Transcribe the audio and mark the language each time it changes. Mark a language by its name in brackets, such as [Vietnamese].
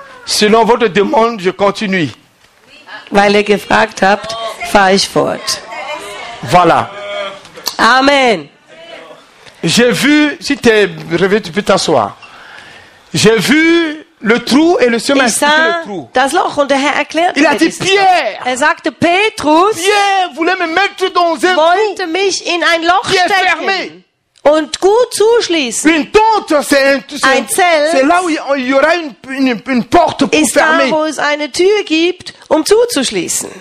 [French] Selon votre demande, je continue. [German] Weil ihr gefragt habt, fahre ich fort. [French] Voilà. Amen. J'ai vu, si tu es réveillé, tu peux t'asseoir. J'ai vu le trou et le Seigneur m'a expliqué le trou. [German] Das Loch und der Herr erklärte [French] il a dit Pierre. [German] Er sagte Petrus. [French] Pierre voulait me mettre dans un trou. [German] Wollte mich in ein Loch [French] Pierre [German] stecken. [French] Fermé. [German] Und gut zuschließen. [French] Une tente, [German] ein Zelt. [French] C'est là où il y aura une porte pour [German] ist [French] fermer. [German] Da, wo es eine Tür gibt, um zuzuschließen.